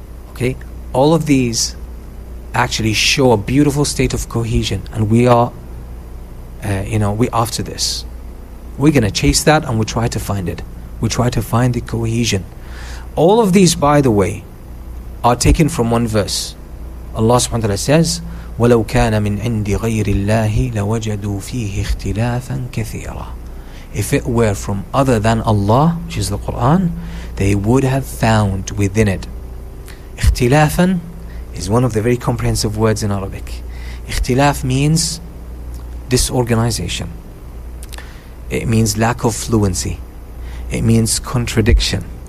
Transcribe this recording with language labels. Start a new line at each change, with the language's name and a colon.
English: Okay, all of these actually show a beautiful state of cohesion, and we are, we're after this. We're going to chase that and we try to find it. We try to find the cohesion. All of these, by the way, are taken from one verse.
Arabic: Allah subhanahu wa ta'ala says, وَلَوْ كَانَ مِنْ عِنْدِ غَيْرِ اللَّهِ لَوَجَدُوا فِيهِ اخْتِلَافًا كَثِيرًا.
English: If it were from other than Allah, which is the Quran, they would have found within it. اختلافًا is one of the very comprehensive words in Arabic. اختلاف means disorganization. It means lack of fluency. It means contradiction.